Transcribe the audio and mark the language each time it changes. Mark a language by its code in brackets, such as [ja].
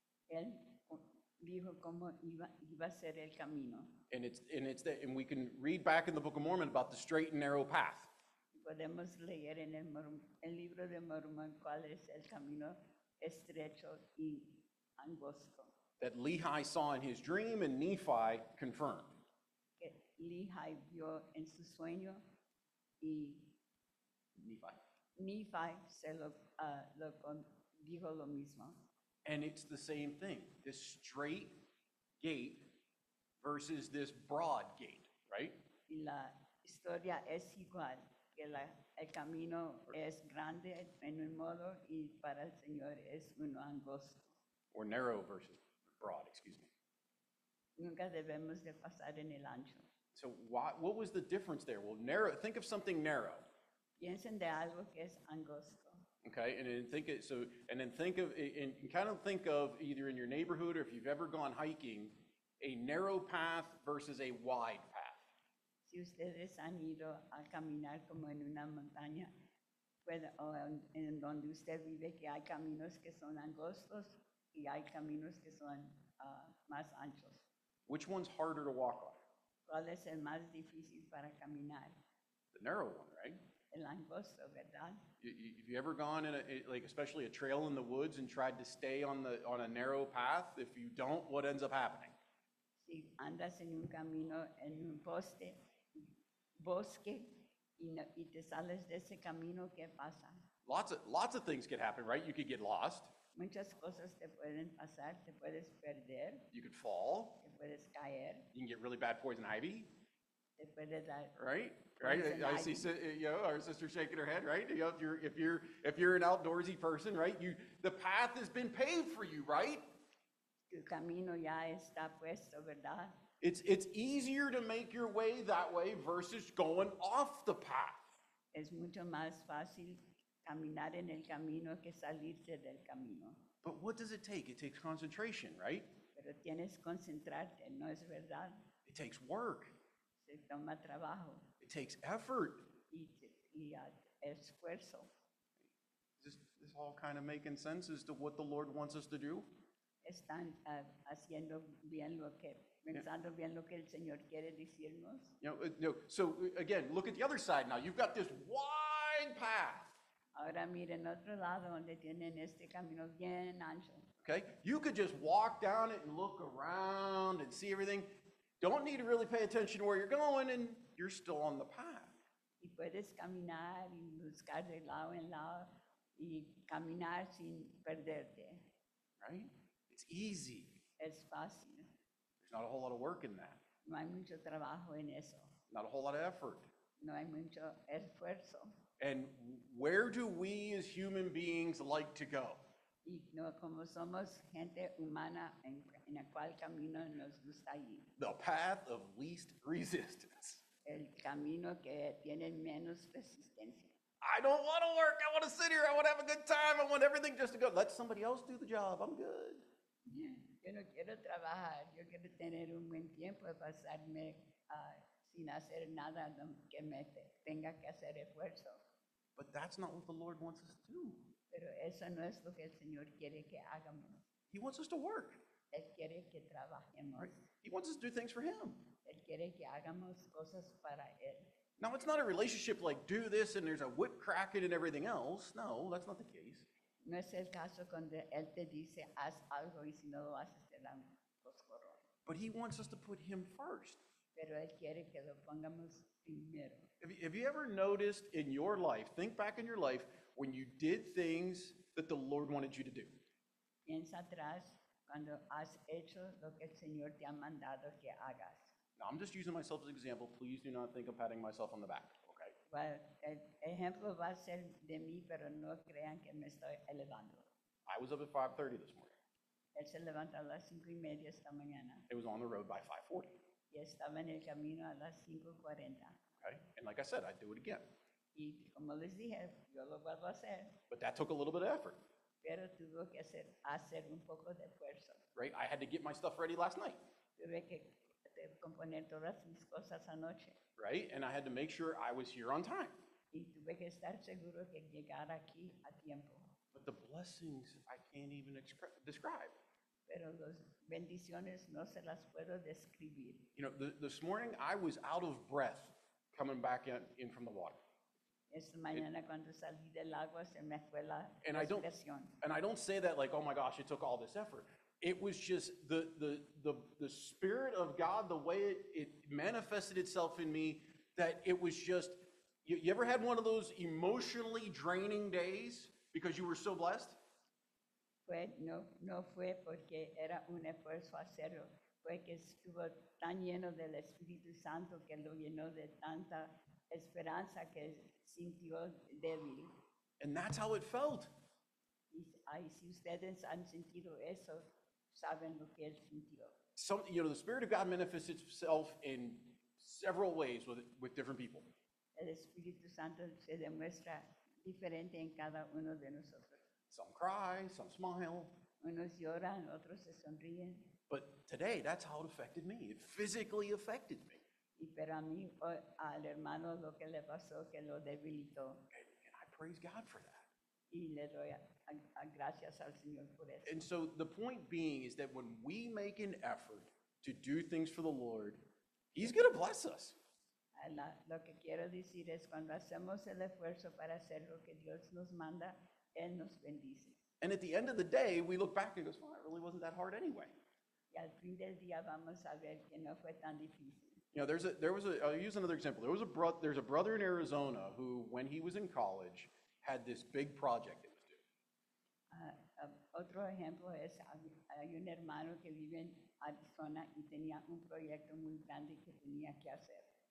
[es] Él dijo cómo iba a ser el camino. [en] And we can read back in the Book of Mormon about the straight and narrow path. [es] Podemos leer en el libro de Mormón cuál es el camino estrecho y angosto. [en] That Lehi saw in his dream and Nephi confirmed. [es] Que Lehi vio en su sueño y Nephi se lo confirmó. Dijo lo mismo. [en] And it's the same thing. This straight gate versus this broad gate, right? [es] Y la historia es igual. Que el camino es grande en un modo y para el Señor es uno angosto. [en] Or narrow versus broad, excuse me. [es] Nunca debemos de pasar en el ancho. [en] So what was the difference there? Well, narrow, think of something narrow. [es] Piensen de algo que es angosto. [en] Okay, and then think of either in your neighborhood or if you've ever gone hiking, a narrow path versus a wide path. [es] Si ustedes han ido a caminar como en una montaña, o en donde usted vive, que hay caminos que son angostos y hay caminos que son más anchos. [en] Which one's harder to walk on? [es] ¿Cuál es el más difícil para caminar? [en] The narrow one, right? [es] El angosto, ¿verdad? [en] Have you ever gone in especially a trail in the woods and tried to stay on a narrow path? If you don't, what ends up happening? [es] Si andas en un camino, en un poste, bosque, y te sales de ese camino, ¿qué pasa? [en] Lots of things could happen, right? You could get lost. [es] Muchas cosas te pueden pasar, te puedes perder. [en] You could fall. [es] Te puedes caer. [en] You can get really bad poison ivy. [es] Te puede dar. [en] Right? Right, I see. You know, our sister shaking her head. Right, you know, if you're an outdoorsy person, right, the path has been paved for you, right? [es] Tu camino ya está puesto, ¿verdad? [en] It's easier to make your way that way versus going off the path. [es] Es mucho más fácil caminar en el camino que salirse del camino. [en] But what does it take? It takes concentration, right? [es] Pero tienes concentrarte, ¿no es verdad? [en] It takes work. [es] Se toma trabajo. [en] It takes effort. [es] Y esfuerzo. [en] Is this all kind of making sense as to what the Lord wants us to do? [es] Están haciendo bien lo que... Pensando bien lo que el Señor quiere decirnos. [en] So again, look at the other side now. You've got this wide path. [es] Ahora miren otro lado donde tienen este camino bien ancho. [en] Okay, you could just walk down it and look around and see everything. Don't need to really pay attention to where you're going, and you're still on the path. [es] Y puedes caminar y buscar de lado en lado y caminar sin perderte. [en] Right? It's easy. [es] Es fácil. [en] Not a whole lot of work in that. [es] No hay mucho trabajo en eso. [en] Not a whole lot of effort. [es] No hay mucho esfuerzo. [en] And where do we as human beings like to go? [es] Y no, como somos gente humana, en el cual camino nos gusta ir. [en] The path of least resistance. [es] El camino que tiene menos resistencia. [en] I don't want to work. I want to sit here. I want to have a good time. I want everything just to go. Let somebody else do the job. I'm good. [es] Yo no quiero trabajar, yo quiero tener un buen tiempo de pasarme sin hacer nada que me tenga que hacer esfuerzo. [en] But that's not what the Lord wants us to do. [es] Pero eso no es lo que el Señor quiere que hagamos. [en] He wants us to work. [es] Él quiere que trabajemos. [en] Right? He wants us to do things for Him. [es] Él quiere que hagamos cosas para Él. [en] Now, it's not a relationship like do this and there's a whip cracking and everything else. No, that's not the case. [es] No es el caso cuando él te dice haz algo y si no lo haces te dan coscorrón. [en] But he wants us to put him first. [es] Pero él quiere que lo pongamos primero. [en] Have you ever noticed in your life, think back in your life, when you did things that the Lord wanted you to do? [es] Piensa atrás cuando has hecho lo que el Señor te ha mandado que hagas. [en] Now I'm just using myself as an example. Please do not think I'm patting myself on the back. [es] Well, el ejemplo va a ser de mí, pero no crean que me estoy elevando. [en] I was up at 5:30 this morning. [es] Él se levantó a las 5:30 esta mañana. [en] It was on the road by 5:40. [es] Y estaba en el camino a las 5:40. [en] Okay, and like I said, I'd do it again. [es] Y como les dije, yo lo vuelvo a hacer. [en] But that took a little bit of effort. [es] Pero tuvo que hacer un poco de esfuerzo. [en] Right, I had to get my stuff ready last night. [es] Tuve que componer todas mis cosas anoche. [en] Right, and I had to make sure I was here on time. [es] Y tuve que estar seguro que llegara aquí a tiempo. [en] But the blessings I can't even describe. [es] Pero las bendiciones no se las puedo describir. [en] You know, this morning I was out of breath coming back in from the water. [es] Esta mañana cuando salí del agua se me fue la respiración. [en] And I don't say that like, oh my gosh, it took all this effort. It was just the Spirit of God, the way it manifested itself in me, that it was just, you ever had one of those emotionally draining days because you were so blessed? [es] No fue porque era un esfuerzo hacerlo, fue que estuvo tan lleno del Espíritu Santo que lo llenó de tanta esperanza que sintió débil. [en] And that's how it felt. [es] Y si ustedes han sentido eso, saben lo que él sintió. [en] The Spirit of God manifests itself in several ways with different people. [es] El Espíritu Santo se demuestra diferente en cada uno de nosotros. [en] Some cry, some smile. [es] Unos lloran, otros se sonríen. [en] But today, that's how it affected me. It physically affected me. [es] Y pero a mí, al hermano, lo que le pasó, que lo debilitó. [en] And I praise God for that. [es] Y le doy a gracias al Señor por eso. [en] And so the point being is that when we make an effort to do things for the Lord, He's going to bless us. [es] Lo que quiero decir es cuando hacemos el esfuerzo para hacer lo que Dios nos manda, Él nos bendice. [en] And at the end of the day, we look back and go, well, it really wasn't that hard anyway. [es] Y al fin del día vamos a ver que no fue tan difícil. [en] I'll use another example. There's a brother in Arizona who, when he was in college, had this big project that was due. [es] Otro ejemplo es, hay un hermano que vive en Arizona y tenía un proyecto muy grande que tenía que hacer.